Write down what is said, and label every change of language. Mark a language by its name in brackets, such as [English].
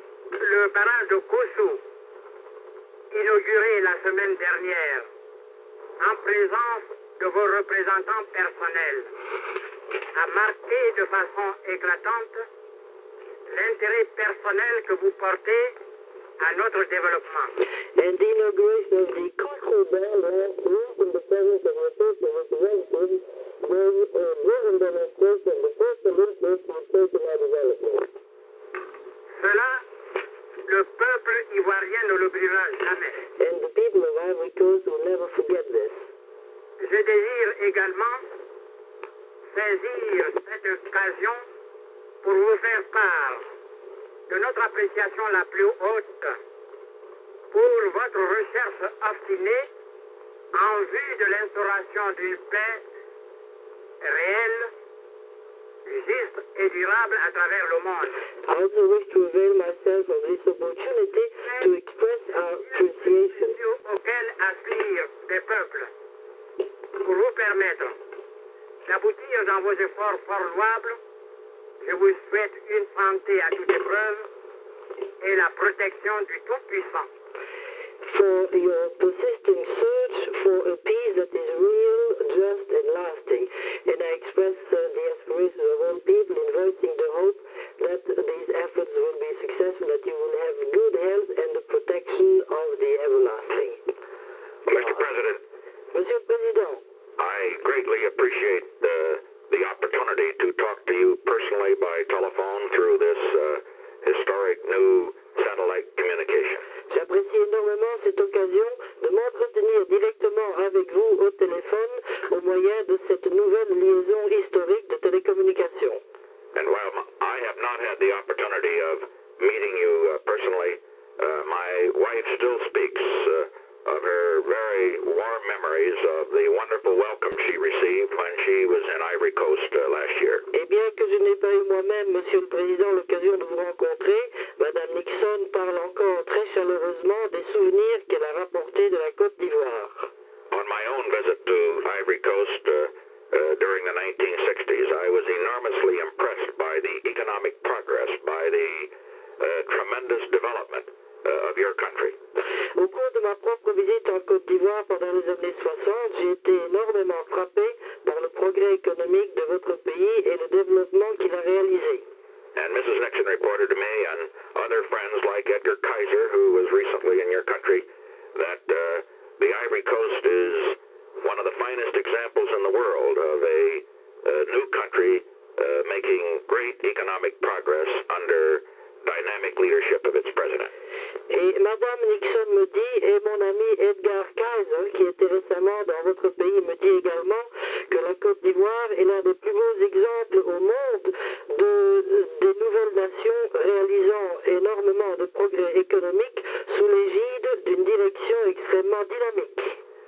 [French] Le barrage de Kosu, inauguré la semaine dernière, en présence de vos représentants personnels, a marqué de façon éclatante l'intérêt personnel que vous portez à notre développement. [English] And the inauguration of the Kosu barrage in the presence of your first representative made a driven demonstration of the first commitment to take in our development. [French] Cela, le peuple ivoirien ne l'oubliera jamais. [English] And the people of Ivory Coast will never forget this. [French] Je désire également saisir cette occasion pour vous faire part de notre appréciation la plus haute pour votre recherche obstinée en vue de l'instauration d'une paix réelle, juste et durable à travers le monde. [English] I also wish to avail myself of this opportunity to express our appreciation [French] auquel aspirent les peuples pour vous permettre d'aboutir dans vos efforts fort louables. Je vous souhaite une santé à toute épreuve et la protection du Tout-Puissant. [English] For your persistent search for a peace that is real, just and lasting, and I express the aspirations of all people in voicing the hope that these efforts will be successful, that you will have good health and the protection of the everlasting. Monsieur President, I greatly appreciate the opportunity to talk to you personally by telephone through this historic new satellite communication. [French] J'apprécie énormément cette occasion de m'entretenir directement avec vous au téléphone au moyen de cette nouvelle liaison historique de télécommunication. [English] And while I have not had the opportunity of meeting you personally, my wife still speaks of her very warm memories of the wonderful welcome she received when she was in Ivory Coast last year. [French] Et bien que je n'ai pas eu moi-même, Monsieur le Président, l'occasion de vous rencontrer, Madame Nixon parle encore très chaleureusement des souvenirs qu'elle a rapportés de la Côte d'Ivoire. [English] On my own visit to Ivory Coast during the 1960s, I was enormously impressed by the economic progress, by the tremendous development of your country. [French] Au cours de ma propre visite en Côte d'Ivoire pendant les années 60, j'ai été énormément frappé par le progrès économique de votre pays et le développement qu'il a réalisé. [English] And Mrs. Nixon reported to me and other friends like Edgar Kaiser, who was recently in your country, that the Ivory Coast is one of the finest examples in the world of a new country making great economic progress under dynamic leadership of its president. [French] Et Madame Nixon me dit, et mon ami Edgar Kaiser, qui était récemment dans votre pays, me dit également que la Côte d'Ivoire est l'un des plus beaux exemples au monde des nouvelles nations réalisant énormément de progrès économiques sous l'égide d'une direction extrêmement dynamique.